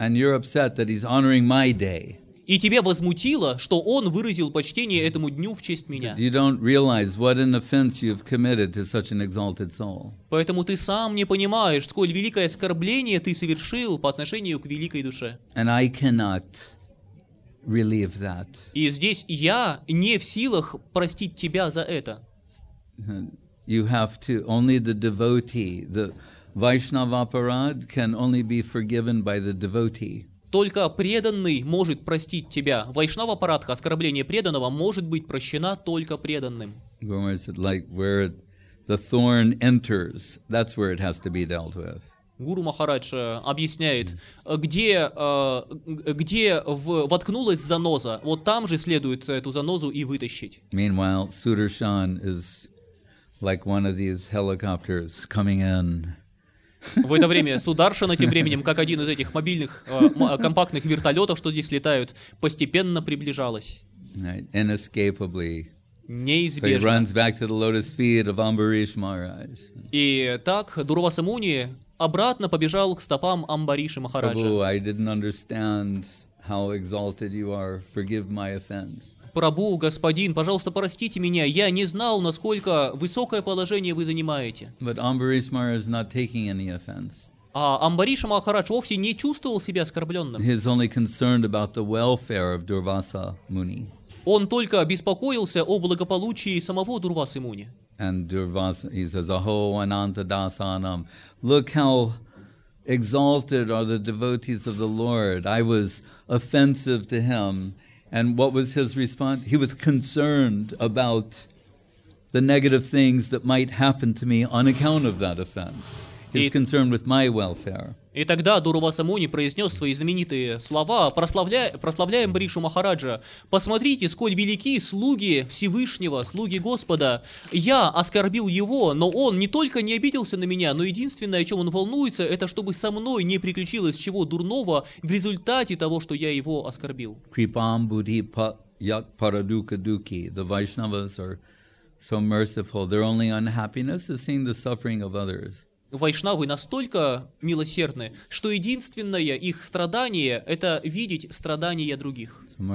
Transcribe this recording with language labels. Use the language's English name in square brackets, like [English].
[English] And you're upset that he's honoring my day. [Russian] И тебя возмутило, что он выразил почтение этому дню в честь меня. [English] You don't realize what an offense you've committed to such an exalted soul. [Russian] Поэтому ты сам не понимаешь, сколь великое оскорбление ты совершил по отношению к великой душе. [English] And I cannot relieve that. [Russian] И здесь я не в силах простить тебя за это. [English] You have to, only the devotee, the Vaishnavaparad can only be forgiven by the devotee. [Russian] Только преданный может простить тебя. Вайшнава парадха, оскорбление преданного, может быть прощена только преданным. [English] Guru Maharaj said, like where the thorn enters, that's where it has to be dealt with. [Russian] Гуру Махарадж объясняет, где воткнулась заноза, вот там же следует эту занозу и вытащить. [English] Meanwhile, Sudarshan is like one of these helicopters coming in. [Russian] В это время Сударшана, тем временем, как один из этих мобильных, компактных вертолетов, что здесь летают, постепенно приближалась. [English] Inescapably. [Russian] Неизбежно. [English] So he runs back to the lotus feet of Ambarish Maharaj. [Russian] И так Дурваса Муни обратно побежал к стопам Амбариши Махараджа. [English] Prabhu, I didn't understand how exalted you are. Forgive my offense. [Russian] Прабу, господин, пожалуйста, простите меня. Я не знал, насколько высокое положение вы занимаете. [English] But Ambarish Maharaj is not taking any offense. [Russian] А Амбариша Махарадж вовсе не чувствовал себя оскорбленным. [English] He is only concerned about the welfare of Durvasa Muni. [Russian] Он только беспокоился о благополучии самого Дурвасы Муни. [English] And Durvasa, he says, [Sanskrit] Aho Ananta Dasanam, [English] look how exalted are the devotees of the Lord. I was offensive to him. And what was his response? He was concerned about the negative things that might happen to me on account of that offense. He's concerned with my welfare. [Russian] И тогда Дурвасса Муни произнес свои знаменитые слова, прославляя Мрикшу Махараджа. «Посмотрите, сколь велики слуги Всевышнего, слуги Господа. Я оскорбил его, но он не только не обиделся на меня, но единственное, о чем он волнуется, это чтобы со мной не приключилось чего дурного в результате того, что я его оскорбил». [Sanskrit] Крипам будхи як парадука дуки. [English] The Vaishnavas are so merciful. Their only unhappiness is seeing the suffering of others. [Russian] Вайшнавы настолько милосердны, что единственное их страдание — это видеть страдания других.